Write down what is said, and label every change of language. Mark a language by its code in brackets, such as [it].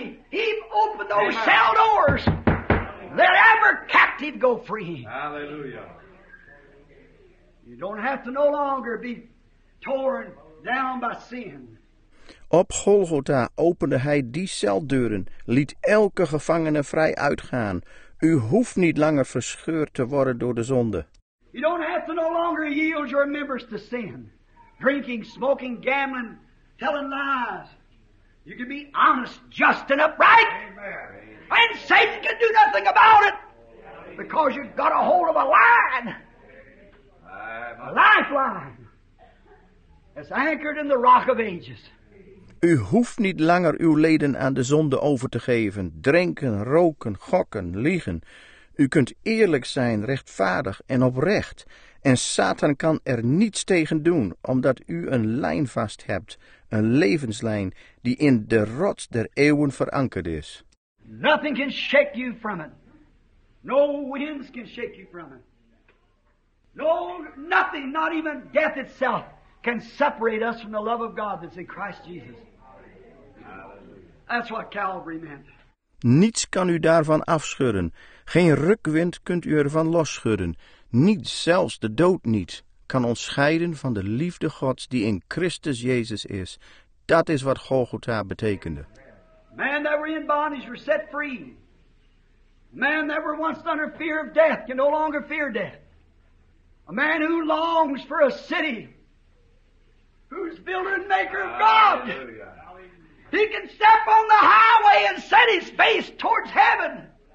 [en] He opened those cell doors. Let every captive go free. Hallelujah. You don't have to no longer be torn down by sin. [nl] Op Golgotha opende hij die celdeuren, liet elke gevangene vrij uitgaan. U hoeft niet langer verscheurd te worden door de zonde. [en] You don't have to no longer yield your members to sin. Drinking, smoking, gambling, telling lies. You can be honest, just, and upright. Amen. And Satan can do nothing about it. Because you've got a hold of a line. A lifeline. That's anchored in the rock of ages. [nl] U hoeft niet langer uw leden aan de zonde over te geven. Drinken, roken, gokken, liegen. U kunt eerlijk zijn, rechtvaardig en oprecht. En Satan kan er niets tegen doen, omdat u een lijn vast hebt. Een levenslijn die in de rots der eeuwen verankerd is. [en] Nothing can shake you from it. No winds can shake you from it. No, nothing, not even death itself, can separate us from the love of God that's in Christ Jesus. That's what Calvary meant. [nl] Niets kan u daarvan afschudden. Geen rukwind kunt u ervan losschudden. Niet, zelfs de dood niet, kan ons scheiden van de liefde Gods die in Christus Jezus is. Dat is wat Golgotha betekende. [en] Man that were in bondage were set free. Man that were once under fear of death can no longer fear death. A man who longs for a city, who's builder and maker of God. Hallelujah. He can step on the highway and set his face towards heaven.